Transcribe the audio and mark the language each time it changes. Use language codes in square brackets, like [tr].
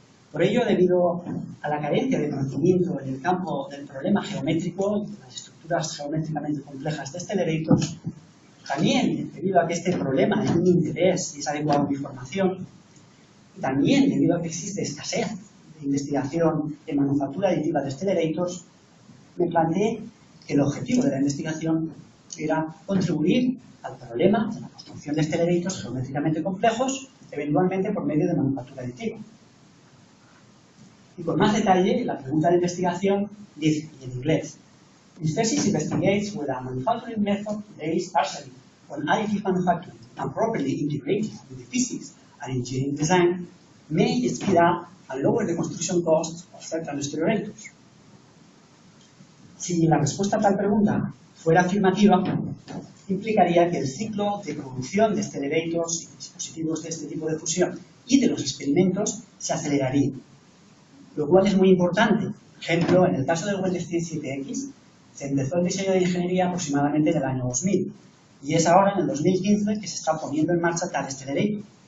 [es] Por ello, debido a la carencia de conocimiento en el campo del problema geométrico, de las estructuras geométricamente complejas de accelerators, también debido a que este problema es un interés y es adecuado a mi formación, también debido a que existe escasez de investigación en manufactura aditiva de accelerators, me planteé que el objetivo de la investigación era contribuir al problema de la construcción de accelerators geométricamente complejos, eventualmente por medio de manufactura aditiva. Y con más detalle, la pregunta de investigación dice, y en inglés, [en] "This thesis investigates whether a manufacturing method based partially on additive manufacturing and properly integrated with the physics and engineering design may speed up and lower the construction costs of certain stereolators. [es] Si la respuesta a tal pregunta fuera afirmativa, implicaría que el ciclo de producción de stereolators y dispositivos de este tipo de fusión y de los experimentos se aceleraría, lo cual es muy importante. Por ejemplo, en el caso del Wendelstein 7X, se empezó el diseño de ingeniería aproximadamente en el año 2000 y es ahora, en el 2015, que se está poniendo en marcha tal stereolator.